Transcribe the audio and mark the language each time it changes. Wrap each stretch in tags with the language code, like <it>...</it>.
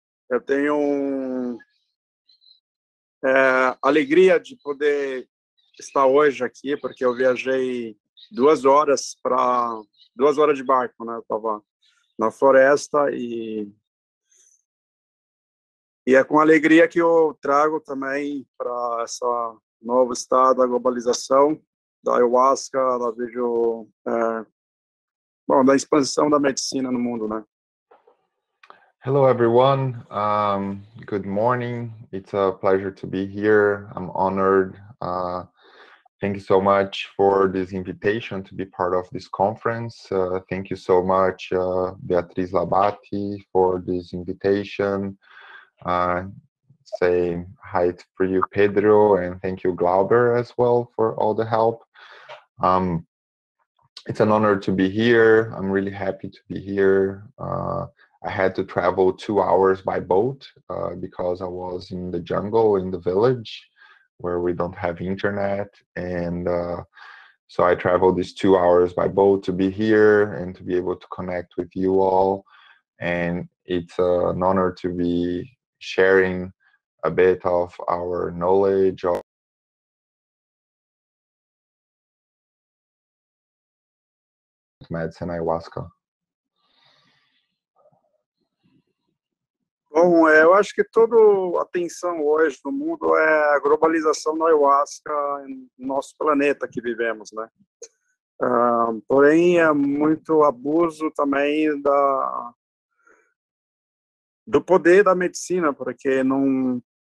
<pt>Eu tenho alegria de poder estar hoje aqui, porque eu viajei 2 horas para 2 horas de barco, né? Eu estava na floresta e é com alegria que eu trago também para essa novo estado da globalização da ayahuasca, da vejo bom, da expansão da medicina no mundo, né?</pt> <en>Hello everyone. Good morning. It's a pleasure to be here. I'm honored Thank you so much for this invitation to be part of this conference. Thank you so much, Beatriz Labati, for this invitation. Say hi for you, Pedro, and thank you, Glauber, as well, for all the help. It's an honor to be here. I'm really happy to be here. I had to travel 2 hours by boat because I was in the jungle in the village where we don't have internet. And so I traveled these 2 hours by boat to be here and to be able to connect with you all. And it's an honor to be sharing a bit of our knowledge of medicine ayahuasca.</en> <pt>Bom, eu acho que toda atenção hoje no mundo é a globalização da ayahuasca no nosso planeta que vivemos, né? Porém, é muito abuso também do poder da medicina, porque não.</pt>